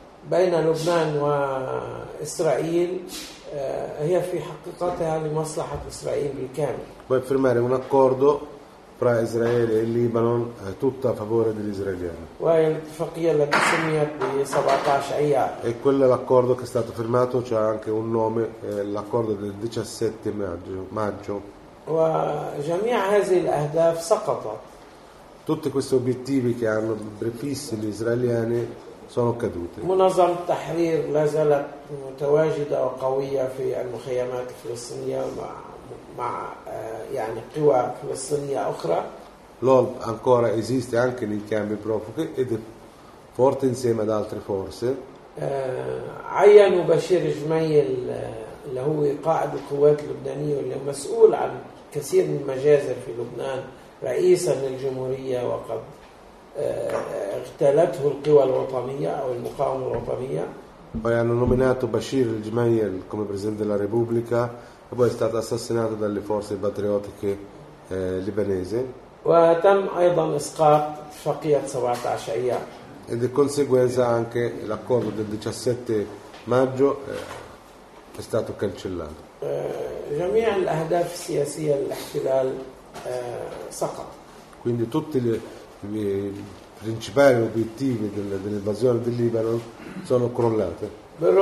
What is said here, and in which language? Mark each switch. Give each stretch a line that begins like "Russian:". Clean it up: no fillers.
Arabic: بين لبنان وإسرائيل هي في حقيقتها لمصلحة إسرائيل بالكامل.
Italian: Vuoi firmare un accordo fra Israele e Libano tutta a favore degli israeliani.
Arabic: وهي الاتفاقية التي سميت ب 17 أيار.
Italian: E quello è l'accordo che è stato firmato, c'ha anche un nome, l'accordo del 17 maggio.
Arabic: وجميع هذه الأهداف سقطت.
Italian: Tutti questi obiettivi che hanno prefissi gli israeliani sono cadute.
Arabic: منظمة التحرير لا زالت متواجدة وقوية في المخيمات الفلسطينية مع يعني قوى فلسطينية أخرى.
Italian: L'OLP ancora esiste anche nei campi profughi ed è forte insieme ad altre forze.
Arabic: عينوا بشير جميل اللي هو قائد القوات اللبنانية واللي مسؤول عن كثير من المجازر في لبنان رئيسا للجمهورية وقد اغتالته القوى الوطنية أو المقاومة الوطنية.
Italian: Poi hanno nominato Bashir al-Jumayl come presidente della Repubblica e poi è stato assassinato dalle forze patriottiche libanese.
Arabic: وتم أيضا إسقاط اتفاقية 17 أيار.
Italian: E di conseguenza anche l'accordo del 17 maggio è stato cancellato.
Arabic: جميع الأهداف السياسية للاحتلال سقط.
Italian: Quindi tutti i principali obiettivi dell'invasione del Libano sono crollate.